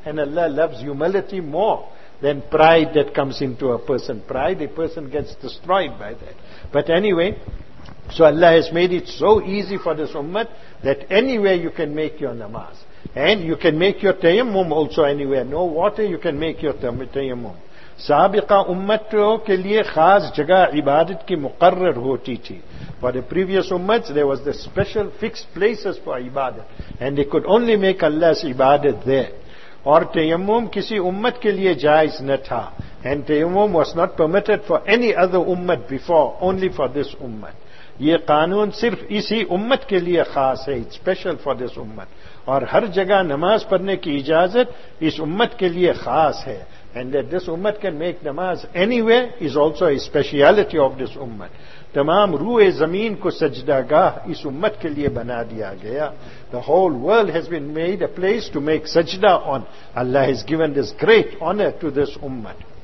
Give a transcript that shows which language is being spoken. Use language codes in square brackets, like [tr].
[en] And Allah loves humility more than pride that comes into a person. Pride, a person gets destroyed by that. But anyway, so Allah has made it so easy for this ummah that anywhere you can make your namaz. And you can make your tayammum also anywhere. No water, you can make your tayammum. [ur] سابقہ امتوں کے لئے خاص جگہ عبادت کی مقرر ہوتی تھی. [en] For the previous ummats, there was the special fixed places for عبادت, and they could only make Allah's عبادت there. [ur] اور تیمم کسی امت کے لئے جائز نہ تھا. [en] And تیمم was not permitted for any other ummat before, only for this ummat. [ur] یہ قانون صرف اسی امت کے لئے خاص ہے, [en] it's special for this ummat. [ur] اور ہر جگہ نماز پڑھنے کی اجازت اس امت کے لئے خاص ہے. [en] And that this ummah can make namaz anywhere is also a speciality of this ummah. [ur] Tamam ru'e zameen ko sajda gah is ummah ke liye bana diya gaya. [en] The whole world has been made a place to make sajda on. Allah has given this great honor to this ummah.